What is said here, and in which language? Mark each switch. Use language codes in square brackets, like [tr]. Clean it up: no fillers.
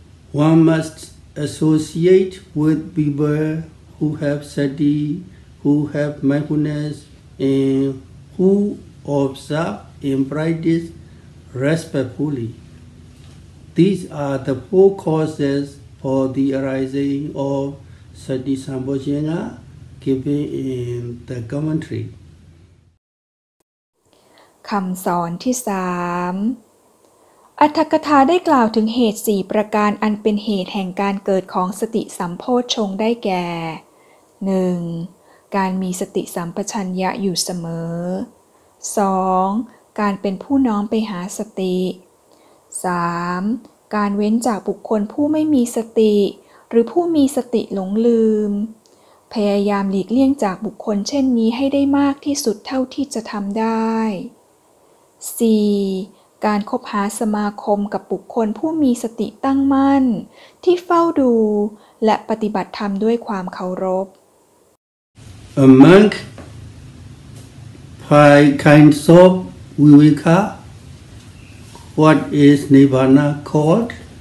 [en] One must associate with people who have sati, who have mindfulness, and who observe and practice respectfully. These are the four causes for the arising of sati sampajanga given in the commentary. [th] คำสอนที่สามอรรถกถาได้กล่าวถึงเหตุ4ประการอันเป็นเหตุแห่งการเกิดของสติสัมโพชฌงค์ได้แก่ 1. การมีสติสัมปชัญญะอยู่เสมอ 2. การเป็นผู้น้อมไปหาสติ 3. การเว้นจากบุคคลผู้ไม่มีสติหรือผู้มีสติหลงลืมพยายามหลีกเลี่ยงจากบุคคลเช่นนี้ให้ได้มากที่สุดเท่าที่จะทำได้4. การคบหาสมาคมกับบุคคลผู้มีสติตั้งมั่นที่เฝ้าดูและปฏิบัติธรรมด้วยความเคารพ [en] A monk by kind of Viveka What is Nirvana called?